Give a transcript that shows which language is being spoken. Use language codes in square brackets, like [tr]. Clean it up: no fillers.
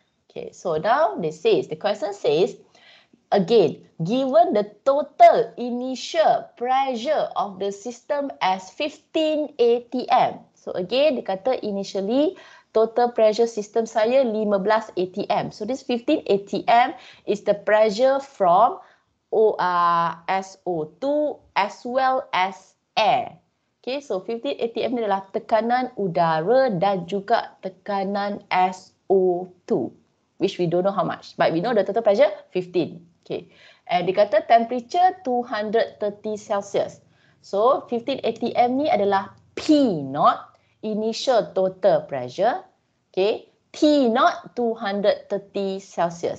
[en] Okay, so now this says, the question says, again, given the total initial pressure of the system as 15 atm. So again, [ms] dia kata [en] initially, total pressure system [ms] saya [en] 15 atm. So this 15 atm is the pressure from SO2 as well as air. Okay, so [ms] 15 atm ni adalah tekanan udara dan juga tekanan SO2. [en] which we don't know how much, but we know the total pressure 15. Okay, and [ms] dia kata [en] temperature 230 Celsius. So 15 atm [ms] ni adalah [en] P naught, initial total pressure. Okay, T naught 230 Celsius.